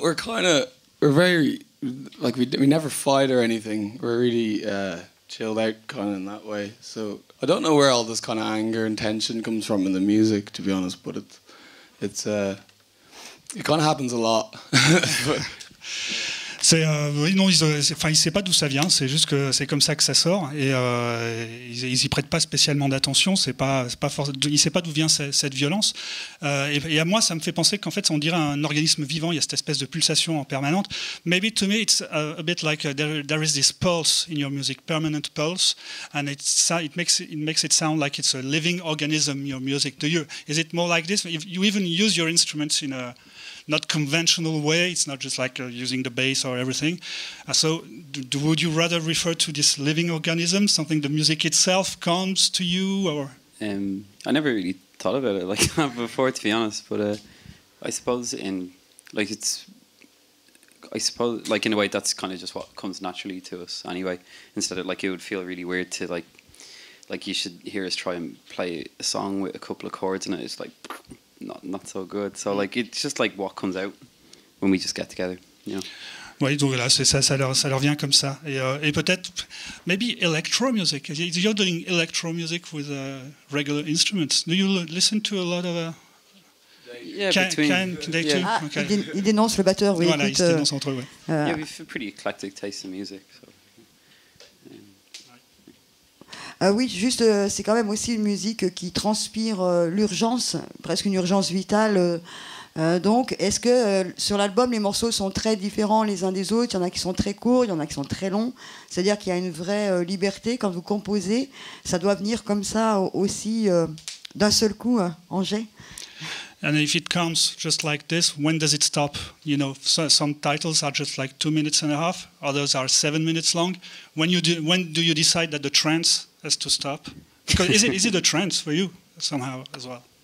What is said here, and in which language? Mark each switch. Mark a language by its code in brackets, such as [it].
[en] We're kind of, we're very, like, we never fight or anything. We're really chilled out kind of in that way. So I don't know where all this kind of anger and tension comes from in the music, to be honest, but it kind of happens a lot. [fr] C'est non, ils savent pas d'où ça vient. C'est juste que c'est comme ça que ça sort, et ils y prêtent pas spécialement d'attention. Ils savent pas d'où vient cette violence. Et à moi, ça me fait penser qu'en fait, on dirait un organisme vivant. Il y a cette espèce de pulsation en permanente. [en] Maybe to me, it's a bit like there is this pulse in your music, permanent pulse, and it makes it sound like it's a living organism. Your music, do you? Is it more like this? If you even use your instruments in a not conventional way, it's not just like using the bass or everything. So would you rather refer to this living organism, something the music itself comes to you, or? I never really thought about it like that before, to be honest, but I suppose in a way that's kind of just what comes naturally to us anyway, instead of like, it would feel really weird to like you should hear us try and play a song with a couple of chords and it's like Not so good. So like, it's just like what comes out when we just get together, you know. [fr] Oui, donc là, c'est ça, ça leur vient comme ça. Et peut-être, [en] maybe electro music. You're doing electro music with regular instruments. Do you listen to a lot of? [fr] Il dénonce le batteur. Oui, voilà, écoute, il se dénonce entre eux. Oui. [en] Yeah, we have a pretty eclectic taste in music. So. [fr] Oui, juste, c'est quand même aussi une musique qui transpire l'urgence, presque une urgence vitale. Donc, est-ce que sur l'album, les morceaux sont très différents les uns des autres? Il y en a qui sont très courts, il y en a qui sont très longs. C'est-à-dire qu'il y a une vraie liberté quand vous composez. Ça doit venir comme ça aussi, d'un seul coup, Angers. [en] And if it comes just like this, when does it stop? You know, some titles are just like 2.5 minutes, others are 7 minutes long. When do you decide that the trance has to stop? Because is it a trance for you somehow as well?